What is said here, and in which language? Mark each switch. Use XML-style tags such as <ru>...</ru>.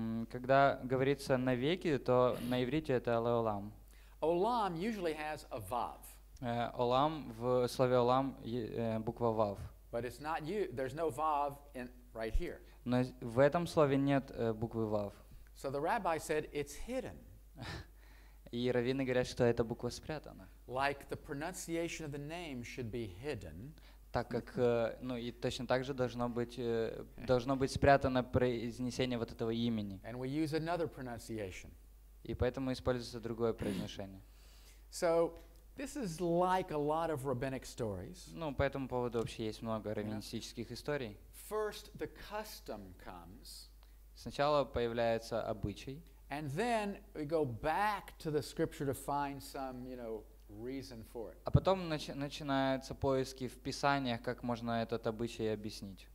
<ru>Когда говорится навеки, то на иврите это leolam.</ru> <en>Olam usually has a vav.</en> <ru>Olam в слове olam буква vav.</ru> <en>But it's not you. There's no vav in right here.</en> <ru>Но в этом слове нет буквы vav.</ru> <en>So the rabbi said it's hidden.</en> <ru>И раввины говорят, что эта буква спрятана.</ru> <en>Like the pronunciation of the name should be hidden.</en> <ru>Так как, и точно так же должно быть спрятано произнесение вот этого имени.</ru> <en>And we use another pronunciation.</en> <ru>И поэтому используется другое произношение.</ru> <en>So, this is like a lot of rabbinic stories.</en> <ru>По этому поводу вообще есть много раввинистических историй.</ru> <en>First, the custom comes.</en> <ru>Сначала появляется обычай.</ru> <en>And then we go back to the scripture to find some, reason for it.</en> <ru>А потом начинаются поиски в писаниях, как можно этот обычай объяснить.</ru>